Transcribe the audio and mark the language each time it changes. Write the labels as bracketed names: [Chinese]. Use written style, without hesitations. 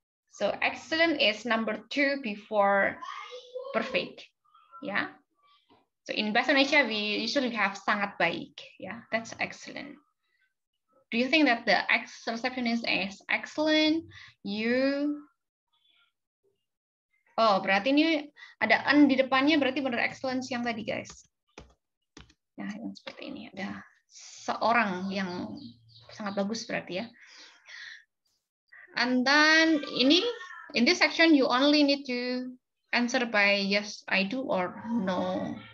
[English] So excellent is number two before perfect. Yeah. So in Bahasa Indonesia, we usually have [Indonesian] sangat baik. [English] Yeah, that's excellent. Do you think that the receptionist is excellent? You? [Indonesian] Oh, berarti ini ada an di depannya, berarti benar excellence yang tadi, guys. Nah, yang seperti ini ada seorang yang sangat bagus berarti ya. [English] And then ini, in this section you only need to answer by yes, I do, or no.